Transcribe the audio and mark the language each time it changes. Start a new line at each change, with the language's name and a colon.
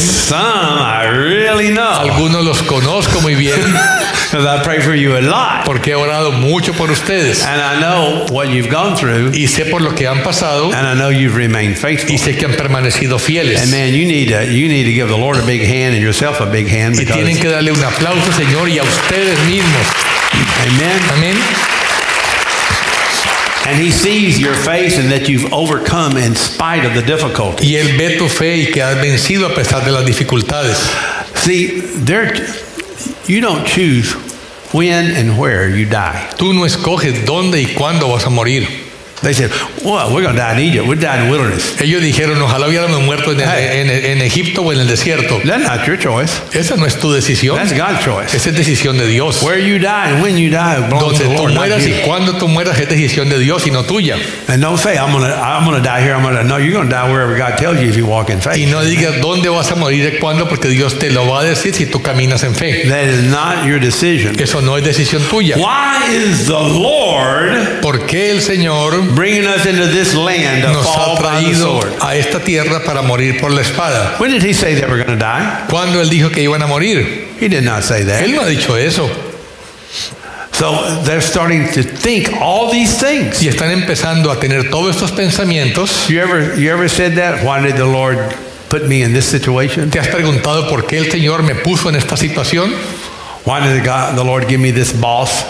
English: Some I really know.
Spanish: Algunos los conozco muy bien.
English: Because I pray for you a lot.
Spanish: Porque he orado mucho por ustedes.
English: And I know what you've gone through.
Spanish: Y sé por lo que han pasado.
English: And I know you've remained faithful.
Spanish: Y sé que han permanecido fieles.
English: And man, you need to give the Lord a big hand and yourself a big hand.
Spanish: Y tienen que darle un aplauso, Señor, y a ustedes mismos. Amen. Amen.
English: And he sees your faith and that you've overcome in spite of the difficulties.
Spanish: Y él ve tu fe y que has vencido a pesar de las dificultades.
English: See, you don't choose when and where you die.
Spanish: Tú no escoges dónde y cuándo vas a morir.
English: They said, "Well, we're going to die in Egypt. We're dying in the wilderness."
Spanish: Ellos dijeron, "Ojalá hubiéramos muerto en Egipto o en el desierto."
English: That's not your choice.
Spanish: Esa no es tu decisión.
English: That's God's choice.
Spanish: Esa es decisión de Dios.
English: Where you die and when you die belongs to the Lord.
Spanish: Donde tú mueras y cuando tú mueras es decisión de Dios y no tuya.
English: And don't say, "I'm gonna die here." I'm gonna die. No, you're gonna die wherever God tells you if you walk in faith.
Spanish: Y no digas dónde vas a morir y cuándo porque Dios te lo va a decir si tú caminas en fe.
English: That is not your decision.
Spanish: Eso no es decisión tuya.
English: Why is the Lord?
Spanish: ¿Por qué el Señor?
English: Bringing us into this land to fall by the sword.
Spanish: A esta tierra para morir por la espada.
English: When did he say they were going to die?
Spanish: ¿Cuándo él dijo que iban a morir?
English: He did not say that.
Spanish: Él no ha dicho eso.
English: So they're starting to think all these things.
Spanish: Y están empezando a tener todos estos pensamientos.
English: You ever said that? Why did the Lord put me in this situation?
Spanish: ¿Te has preguntado por qué el Señor me puso en esta situación?
English: Why did the Lord give me this boss?